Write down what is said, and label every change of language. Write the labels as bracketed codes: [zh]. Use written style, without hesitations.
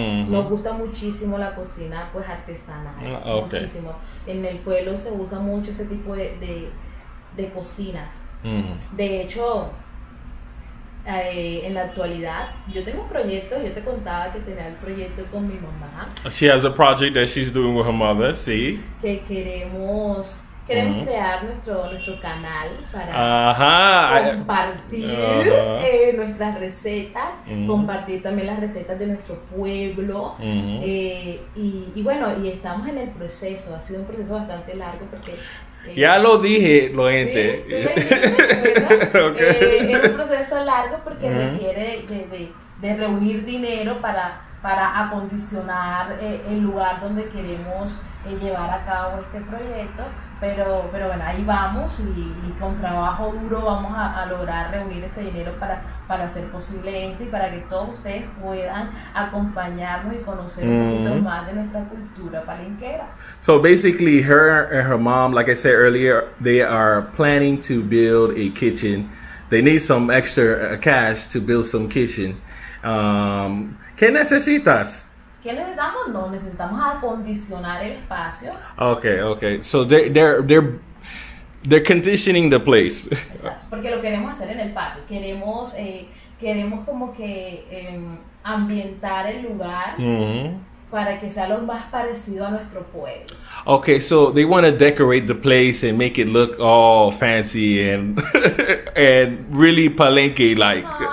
[es] Nos gusta muchísimo la cocina, pues, artesanal. [en] Okay. [es] Muchísimo. En el pueblo se usa mucho ese tipo de cocinas. De hecho, en la actualidad, yo tengo un proyecto. Yo te contaba que tenía el proyecto con mi mamá. [en] She has a project that she's doing with her mother. [es] Sí. Que queremos crear nuestro canal para compartir nuestras recetas, compartir también las recetas de nuestro pueblo. Y estamos en el proceso. Ha sido un proceso bastante largo porque ya lo dije, lo gente. Sí, bueno, okay. Es un proceso largo porque requiere de reunir dinero para acondicionar el lugar donde queremos llevar a cabo este proyecto. Pero bueno, ahí vamos y con trabajo duro vamos a lograr reunir ese dinero para hacer posible esto y para que todos ustedes puedan acompañarnos y conocer un poquito más de nuestra cultura palenquera. [en] So basically, her and her mom, like I said earlier, they are planning to build a kitchen. They need some extra cash to build some kitchen. [es] ¿Qué necesitas? ¿Qué necesitamos? No, necesitamos acondicionar el espacio. [en] Okay. So they're conditioning the place. [es] Exacto. Porque lo queremos hacer en el patio. Queremos como que ambientar el lugar para que sea lo más parecido a nuestro pueblo. [en] Okay, so they want to decorate the place and make it look all fancy and and really palenque like.